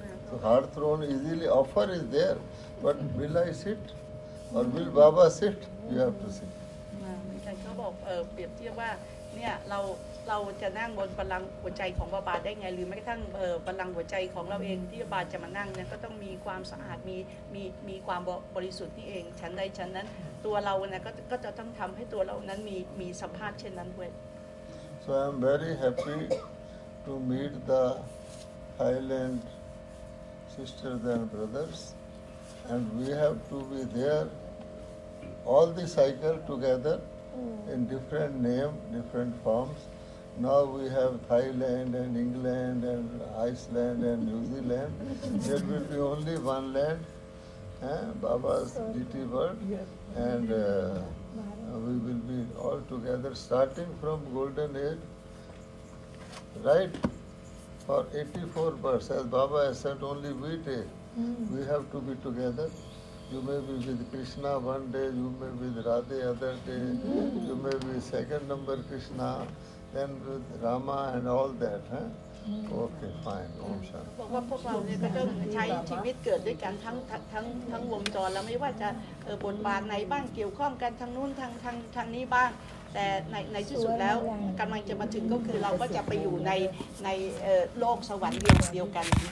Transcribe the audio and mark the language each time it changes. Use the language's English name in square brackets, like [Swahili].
[English] So heart throne easily, offer is there, but will I sit? Or will Baba sit? You have to sit. [Thai] เขาบอกเปรียบเทียบว่า เนี่ยเราจะนั่งบนบัลลังก์หัวใจของบาบาได้ไงหรือแม้กระทั่งบัลลังก์หัวใจของเราเองที่บาบาจะมานั่งเนี่ยก็ต้องมีความสะอาดมีความบริสุทธิ์นี่เองฉันใดฉันนั้นตัวเราเนี่ยก็จะต้องทำให้ตัวเรานั้นมีสภาพเช่นนั้นด้วย [English] So I'm very happy to meet the Highland sisters and brothers and we have to be there all the cycle together in different name different formsNow we have Thailand and England and Iceland and New Zealand. There will be only one land, Baba's deity world. And we will be all together starting from Golden Age, right? For 84 births, as Baba has said, only we take. We have to be together. You may be with Krishna one day, you may be with Radhe other day, you may be second number Krishna, then with Rama and all that, huh? Okay, fine. Om Shanti. [Thai] บอกว่าพวกเราเนี่ยก็ต้องใช้ชีวิตเกิดด้วยกันทั้งวงจรแล้วไม่ว่าจะบทบาทไหนบ้างเกี่ยวข้องกันทั้งนู้นทางนี้บ้างแต่ในที่สุดแล้วกำลังจะมาถึงก็คือเราก็จะไปอยู่ในโลกสวรรค์เดียวกัน